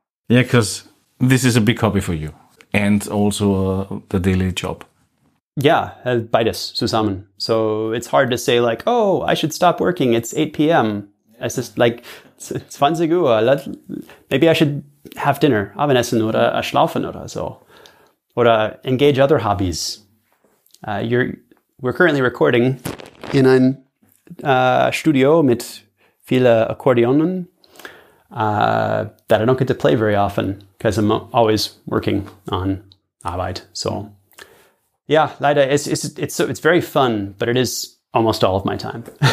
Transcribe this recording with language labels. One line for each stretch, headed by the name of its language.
English: Yeah, because this is a big hobby for you. And also the daily job.
German: Yeah, beides zusammen.
English: So it's hard to say like, oh, I should stop working. It's 8 p.m. It's just like, it's 20 Uhr. Maybe I should have dinner.
German: Abendessen oder schlafen oder so.
English: Oder engage other hobbies. We're currently recording in
German: ein Studio mit vielen Akkordeonen
English: that I don't get to play very often because I'm always working on Arbeit. So, yeah, leider, it's very fun, but it is almost all of my time.